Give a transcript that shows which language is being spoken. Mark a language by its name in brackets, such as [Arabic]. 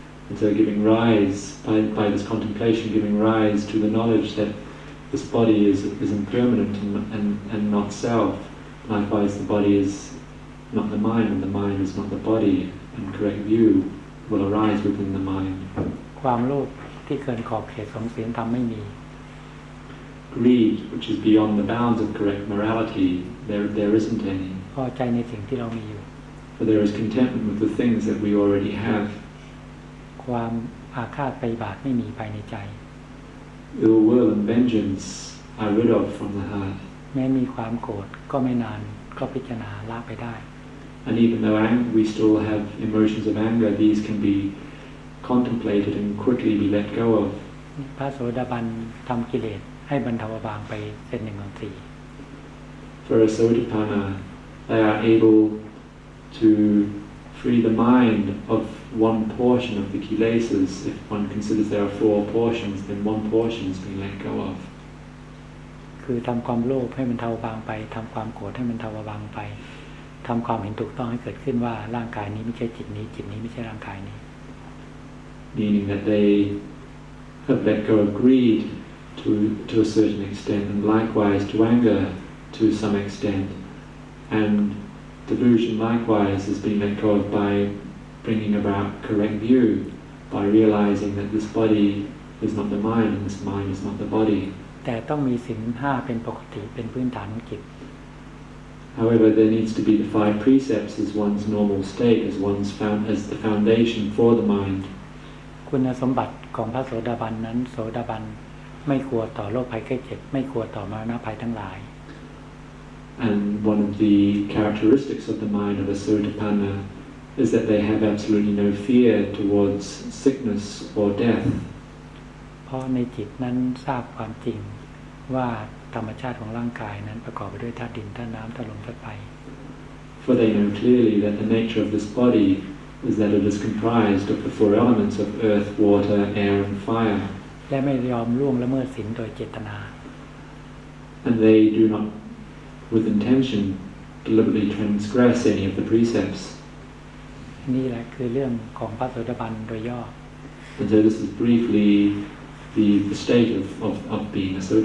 [English] And so giving rise, by this contemplation, giving rise to the knowledge that this body is impermanent and not self. Likewise, the body is not the mind, and the mind is not the body. And correct view will arise within the mind. [Thai] ความโลภที่เกินขอบเขตของศีลธรรมไม่มี [English] Greed, which is beyond the bounds of correct morality, there isn't any. [Thai] พอใจในสิ่งที่เรามีอยู่ [English] For there is contentment with the things that we already have. [Thai] ความอาฆาตไปบาทไม่มีภายในใจ [English] Ill will and vengeance are rid of from the heart [Thai] แม้มีความโกรธก็ไม่นานก็พิจารณาละไปได้ [English] And even though we still have emotions of anger these can be contemplated and quickly be let go of [Thai] พระโสดาบันทำกิเลสให้บรรเทาบางไปเป็นหนึ่งของสี่ [English] For a Sotapanna they are able to free the mind ofOne portion of the kilesas, if one considers there are four portions, then one portion has been let go of. [Thai] คือทำความโลภให้มันเทาบางไปทำความโกรธให้มันเทาบางไปทำความเห็นถูกต้องให้เกิดขึ้นว่าร่างกายนี้ไม่ใช่จิตนี้จิตนี้ไม่ใช่ร่างกายนี้ [English] Meaning that they have let go of greed to a certain extent, and likewise to anger to some extent, and delusion likewise has been let go of by. Bringing about correct view by realizing that this body is not the mind and this mind is not the body. [Thai] แต่ต้องมีศีล5เป็นปกติเป็นพื้นฐานของจิต [English] However, there needs to be the five precepts as one's normal state, as one's found as the foundation for the mind. [Thai] คุณสมบัติของพระโสดาบันนั้นโสดาบันไม่กลัวต่อโรคภัยไข้เจ็บไม่กลัวต่อมรณภัยทั้งหลาย [English] And one of the characteristics of the mind of a Sotapanna. Is that they have absolutely no fear towards sickness or death. [Thai] เพราะในจิตนั้นทราบความจริงว่าธรรมชาติของร่างกายนั้นประกอบไปด้วยธาตุดินธาตุน้ำธาตุลมธาตุไฟ [English] For they know clearly that the nature of this body is that it is comprised of the four elements of earth, water, air, and fire. [Thai] และไม่ยอมล่วงละเมิดศีลโดยเจตนา [English] And they do not, with intention, deliberately transgress any of the precepts. [Thai] นี่แหละคือเรื่องของพระโสดาบันโดยย่อ [English] And so this is briefly the state of being a Soda.